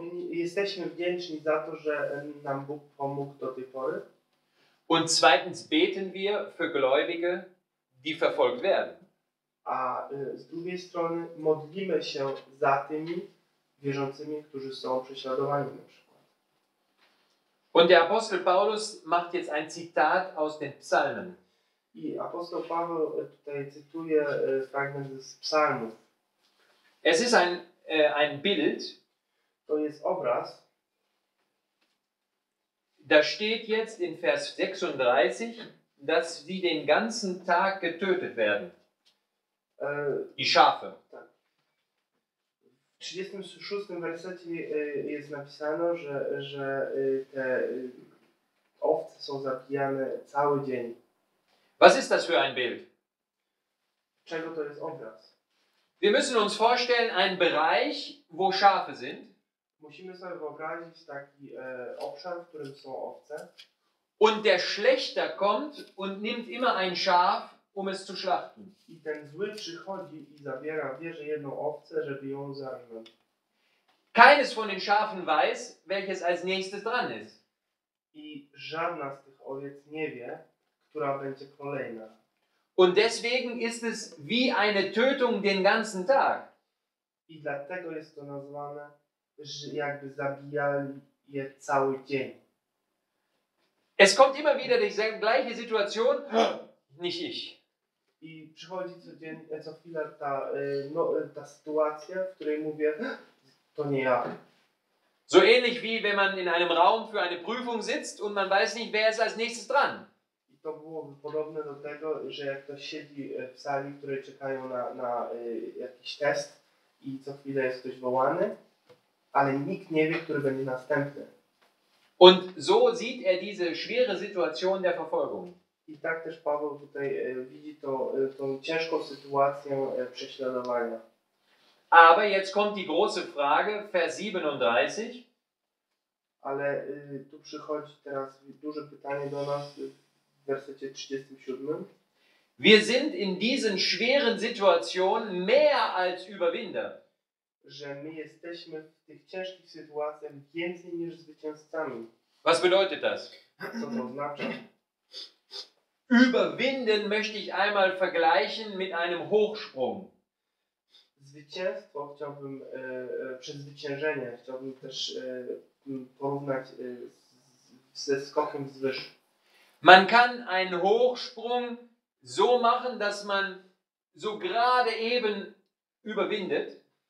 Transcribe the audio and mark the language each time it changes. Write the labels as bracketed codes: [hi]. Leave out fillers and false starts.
[pl] Jesteśmy wdzięczni za to, że nam Bóg pomógł do tej pory. [de] Und zweitens beten wir für Gläubige, die verfolgt werden. [pl] A z drugiej strony modlimy się za tymi wierzącymi, którzy są prześladowani na przykład. [de] Und der Apostel Paulus macht jetzt ein Zitat aus den Psalmen. [pl] I apostoł Paweł tutaj cytuje fragment z psalmów. [de] Es ist ein Bild. [pl] To jest obraz. [de] Da steht jetzt in Vers 36, dass sie den ganzen Tag getötet werden. Die Schafe. [pl] Tak. W 36. wersecie jest napisane, że te owce są zabijane cały dzień. [de] Was ist das für ein Bild? [pl] Czego to jest obraz? [de] Wir müssen uns vorstellen, ein Bereich, wo Schafe sind. [pl] Musimy sobie wyobrazić taki obszar, w którym są owce. [de] Und der Schlechter kommt und nimmt immer ein Schaf, um es zu schlachten. [pl] I ten zły przychodzi i zabiera, bierze jedną owcę, żeby ją zarżnąć. [de] Keines von den Schafen weiß, welches als nächstes dran ist. [pl] I żadna z tych owiec nie wie, która będzie kolejna. [de] Und deswegen ist es wie eine Tötung den ganzen Tag. [pl] I dlatego jest to nazwane, że jakby zabijali je cały dzień. [de] Es kommt immer wieder die gleiche Situation, nicht ich. [pl] I przychodzi codziennie, co chwilę ta, no, ta sytuacja, w której mówię, to nie ja. [de] So ähnlich wie wenn man in einem Raum für eine Prüfung sitzt und man weiß nicht, wer ist als nächstes dran. [pl] I to byłoby podobne do tego, że jak ktoś siedzi w sali, które czekają na jakiś test i co chwilę jest ktoś wołany, ale nikt nie wie, który będzie następny. [de] Und so sieht er diese schwere Situation der Verfolgung. [pl] I tak też Paweł tutaj widzi tą ciężką sytuację prześladowania. [de] Aber jetzt kommt die große Frage, Vers 37. [pl] Ale tu przychodzi teraz duże pytanie do nas w wersecie 37. [de] Wir sind in diesen schweren Situationen mehr als Überwinder. [pl] Że my jesteśmy w tych ciężkich sytuacjach więcej niż zwycięzcami. [de] Was bedeutet das? [pl] Co to znaczy? [de] Überwinden möchte ich einmal vergleichen mit einem Hochsprung. [pl] Zwycięstwo chciałbym, przezwyciężenie chciałbym też porównać ze skokiem z wyż. [de] Man kann einen Hochsprung so machen, dass man so gerade eben überwindet.